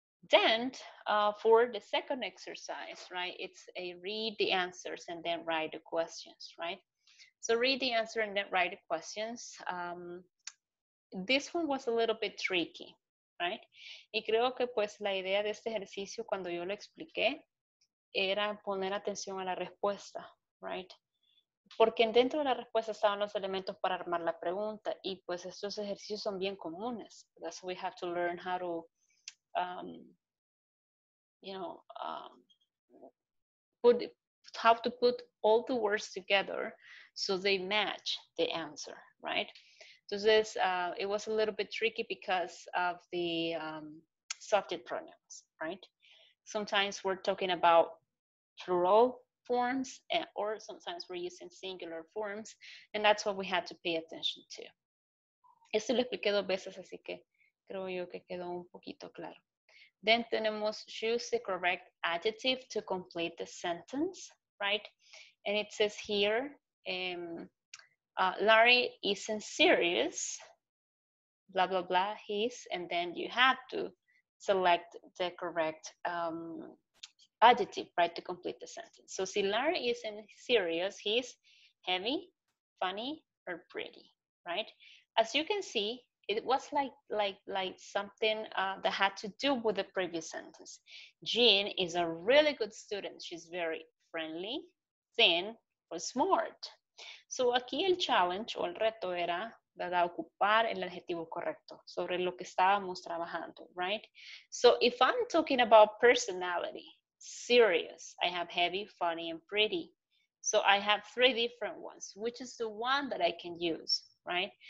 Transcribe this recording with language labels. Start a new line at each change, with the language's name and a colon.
English: Then, for the second exercise, right, it's a read the answers and then write the questions, right? So read the answer and then write the questions. This one was a little bit tricky, right?
Spanish: Y creo que pues la idea de este ejercicio cuando yo lo expliqué era poner atención a la respuesta, right? Porque dentro de la respuesta estaban los elementos para armar la pregunta y pues estos ejercicios son bien comunes.
English: That's why we have to learn how to, how to put all the words together so they match the answer, right? Entonces, it was a little bit tricky because of the subject pronouns, right? Sometimes we're talking about plural forms and, or sometimes we're using singular forms, and that's what we had to pay attention to.
Spanish: Esto lo expliqué dos veces, así que creo yo que quedó un poquito claro.
English: Then tenemos choose the correct adjective to complete the sentence, right? And it says here, Larry isn't serious, blah, blah, blah, he's, and then you have to select the correct adjective, right, to complete the sentence. So, si Larry isn't serious, he's heavy, funny, or pretty, right? As you can see, it was like something that had to do with the previous sentence. Jean is a really good student. She's very friendly, thin, or smart.
Spanish: So aquí el challenge o el reto era, ¿verdad?, ocupar el adjetivo correcto sobre lo que estábamos trabajando, right?
English: So if I'm talking about personality, serious, I have heavy, funny, and pretty. So I have three different ones. Which is the one that I can use, right?